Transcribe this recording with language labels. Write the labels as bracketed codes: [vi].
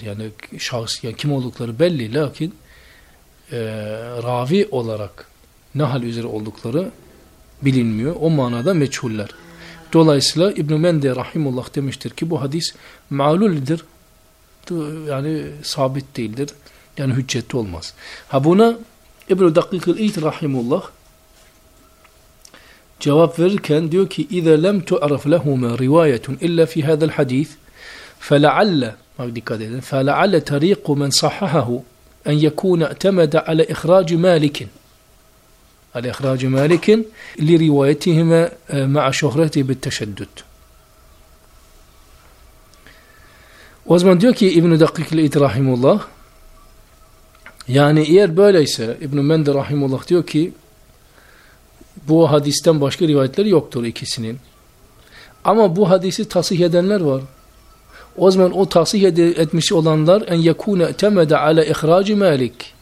[tr] Yani şahıs, yani kim oldukları belli, lakin ravi olarak ne hal üzere oldukları bilinmiyor. O manada meçhuller. Dolayısıyla İbn-i Mende Rahimullah demiştir ki bu hadis ma'lul'dir. Yani sabit değildir. Yani hüccetli olmaz. Ha buna İbn-i Dakkik'il İyit Rahimullah cevap verirken diyor ki [ar] اِذَا لَمْ تُعْرَفْ لَهُمَا رِوَايَةٌ اِلَّا فِي هَذَا الْحَدِيثِ فَلَعَلَّ [tr] bak dikkat edin [ar] فَلَعَلَّ تَرِيقُ مَنْ صَحَّهَهُ أن يكون اعتمد على إخراج مالك على إخراج مالك لروايتهما مع شهرته بالتشدد. [tr] وزمان diyor ki İbn-i Dakkik İl-İyit Rahimullah, yani eğer böyleyse İbn-i Mende Rahimullah diyor ki bu hadisten başka rivayetleri yoktur ikisinin. Ama bu hadisi tasih edenler var. O zaman o tahsih etmiş olanlar en yekûne temede ala ihraci Malik.